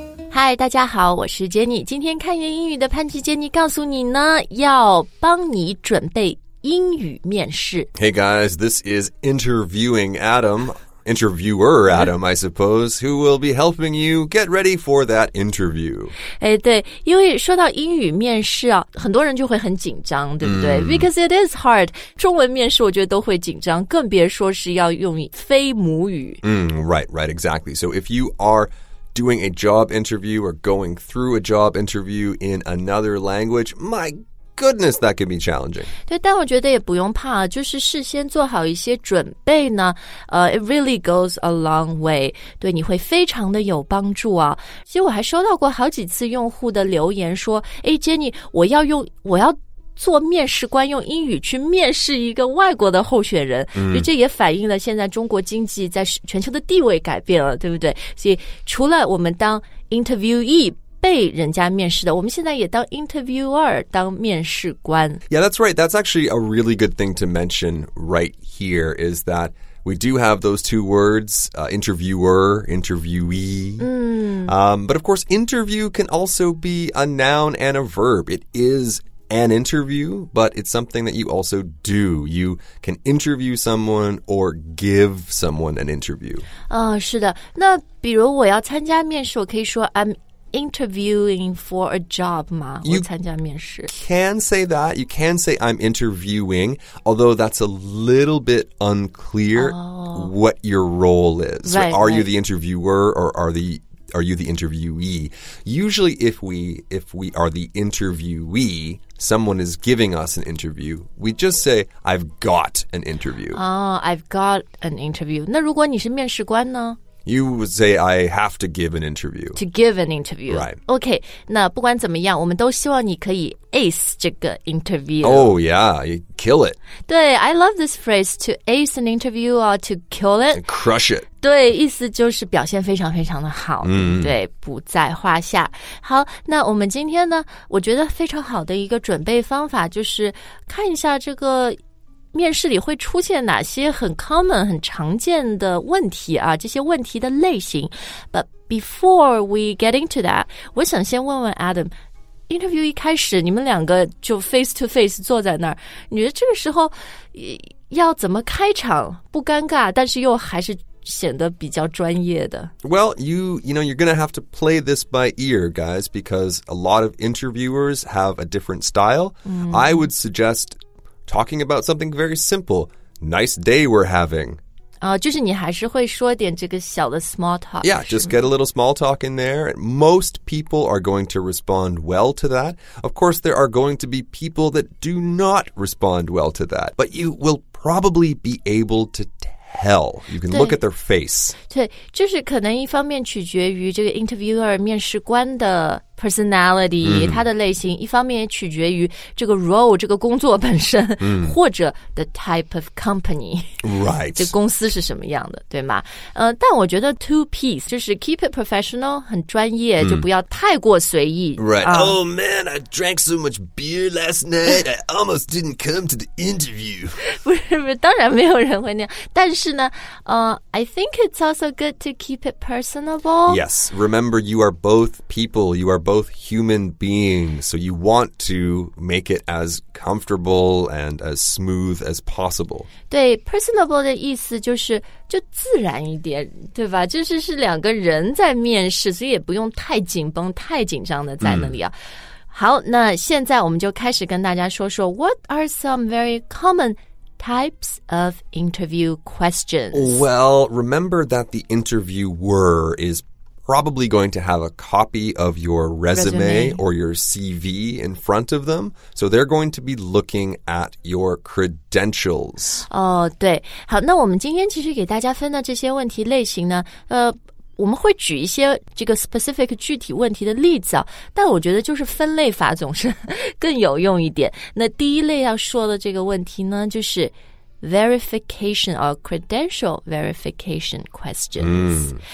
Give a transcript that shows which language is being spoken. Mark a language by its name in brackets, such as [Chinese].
[Chinese] 嗨，大家好，我是 Jenny。今天看言英语的潘琪 Jenny 告诉你呢，要帮你准备英语面试。 [English] Hey guys, this is interviewing Adam, interviewer Adam, I suppose, who will be helping you get ready for that interview. [Chinese] 哎，对，因为说到英语面试啊，很多人就会很紧张，对不对？ [English] Because it is hard. [Chinese] 中文面试我觉得都会紧张，更别说是要用非母语。 [English] Right, exactly. So if you are... doing a job interview or going through a job interview in another language, my goodness, that can be challenging. [Chinese] 对，但我觉得也不用怕，就是事先做好一些准备呢， [English] it really goes a long way. [Chinese] 对，你会非常的有帮助啊。其实我还收到过好几次用户的留言说，哎 ,Jenny, 我要做面试官，用英语去面试一个外国的候选人，这也反映了现在中国经济在全球的地位改变了，对不对？所以除了我们当 interviewee 被人家面试的，我们现在也当 interviewer 当面试官。 [English] Yeah, that's right. That's actually a really good thing to mention right here is that we do have those two words, interviewer, interviewee. But of course, interview can also be a noun and a verb. It isan interview, but it's something that you also do. You can interview someone or give someone an interview. [Chinese] 是的。那比如我要参加面试，我可以说 [English] I'm interviewing for a job [Chinese] 吗？我参加面试。 [English] You can say that. You can say I'm interviewing, although that's a little bit unclear what your role is. Right, so are you the interviewer or are you the interviewee? Usually if we are the interviewee,someone is giving us an interview, we just say, I've got an interview. I've got an interview. [Chinese] 那如果你是面试官呢? [English] You would say, I have to give an interview. To give an interview. Right. [Chinese] Okay, 那不管怎么样，我们都希望你可以 ace 这个 interview. [English] Oh, yeah, kill it. 对, I love this phrase, to ace an interview or to kill it. Crush it. [Chinese] 对，意思就是表现非常非常的好，对，不在话下。好，那我们今天呢，我觉得非常好的一个准备方法就是看一下这个面试里会出现哪些很 common, 很常见的问题啊，这些问题的类型。 [English] But before we get into that, [Chinese] 我想先问问 Adam, interview 一开始你们两个就 face to face 坐在那儿，你觉得这个时候要怎么开场，不尴尬，但是又还是显得比较专业的。 [English] Well, you know, you're going to have to play this by ear, guys, because a lot of interviewers have a different style. I would suggest talking about something very simple. Nice day we're having. [Chinese] 就是你还是会说点这个小的 small talk. [English] Yeah, just get a little small talk in there. Most people are going to respond well to that. Of course, there are going to be people that do not respond well to that. But you will probably be able to tell. You can look at their face. [Chinese] 对，就是可能一方面取决于这个 interviewer 面试官的 personality, 他的类型，一方面也取决于这个 role, 这个工作本身，或者 the type of company. [English] Right. [Chinese] 这公司是什么样的，对吗？但我觉得 two-piece, 就是 keep it professional, 很专业，就不要太过随意。 [English] Right. Oh man, I drank so much beer last night, I almost didn't come to the interview. [Chinese] 不是，不是，当然没有人会那样。但是呢， [English] I think it's also good to keep it personable. Yes, remember you are both people, you are both human beings, so you want to make it as comfortable and as smooth as possible. [Chinese] 对 ,personable 的意思就是就自然一点，对吧？就是是两个人在面试，所以也不用太紧绷，太紧张的在那里啊。好，那现在我们就开始跟大家说说 , [English] what are some very common types of interview questions? Well, remember that the interviewer is probably going to have a copy of your resume or your CV in front of them. So they're going to be looking at your credentials. [Chinese] 对。好，那我们今天其实给大家分的这些问题类型呢，我们会举一些这个 specific 具体问题的例子啊，但我觉得就是分类法总是更有用一点。那第一类要说的这个问题呢，就是 [English] verification or credential verification questions.